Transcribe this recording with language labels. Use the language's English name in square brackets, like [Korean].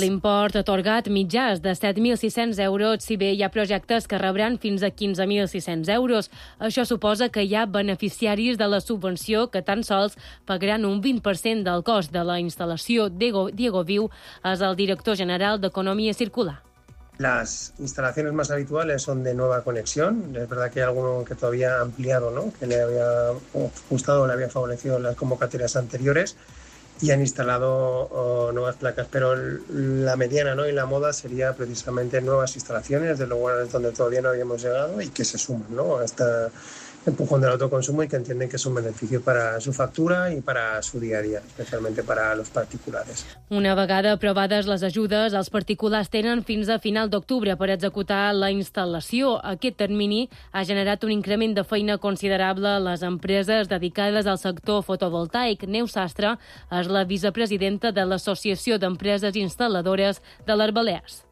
[Catalan] L'import atorgat mitjà és de 7.600 euros, si bé hi ha projectes que rebran fins a 15.600 euros. Això suposa que hi ha beneficiaris de la subvenció que tan sols pagaran un 20% del cost de la instal·lació. Diego Viu és el director general d'Economia Circular. [Spanish] Las instalaciones más habituales son de nueva conexión. Es verdad que hay alguno que todavía ha ampliado, ¿no? Que le había gustado, le había favorecido las convocatorias anteriores y han instalado nuevas placas. Pero la mediana, ¿no? Y la moda sería precisamente nuevas instalaciones de lugares donde todavía no habíamos llegado y que se suman, ¿no? Hasta empujón del autoconsumo y que entienden que es un beneficio para su factura y para su día a día, especialmente para los particulares. [Catalan] Una vegada aprovades les ajudes, els particulars tenen fins a final d'octubre per executar la instal·lació. Aquest termini ha generat un increment de feina considerable a les empreses dedicades al sector fotovoltaic. Neus Sastre és la vicepresidenta de l'Associació d'Empreses Instal·ladores de les Balears.